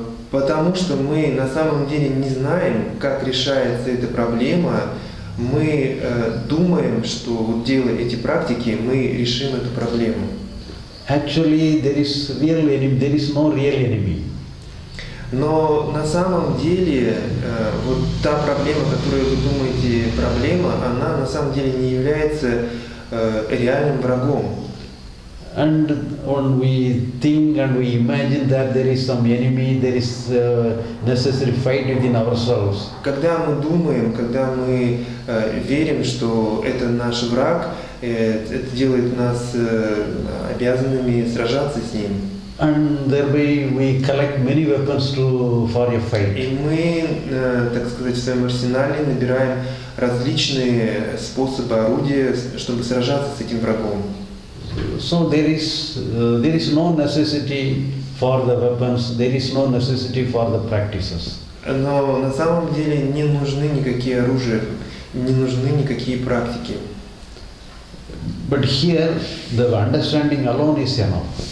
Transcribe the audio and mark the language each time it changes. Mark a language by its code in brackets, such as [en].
[ru] Потому что мы на самом деле не знаем, как решается эта проблема, мы думаем, что вот делая эти практики, мы решим эту проблему. [en] Actually, there is no real enemy. [ru] Но на самом деле вот та проблема, которую вы думаете проблема, она на самом деле не является реальным врагом. [en] And when we think and we imagine that there is some enemy, there is necessary fight within ourselves. [ru] Когда мы думаем, когда мы верим, что это наш враг, это делает нас обязанными сражаться с ним. [en] And thereby we collect many weapons to for a fight. [ru] И мы, так сказать, в своем арсенале набираем различные способы, орудия, чтобы сражаться с этим врагом. [en] So there is no necessity for the weapons, there is no necessity for the practices. [ru] Но на самом деле не нужны никакие оружия, не нужны никакие практики. [en] But here the understanding alone is enough.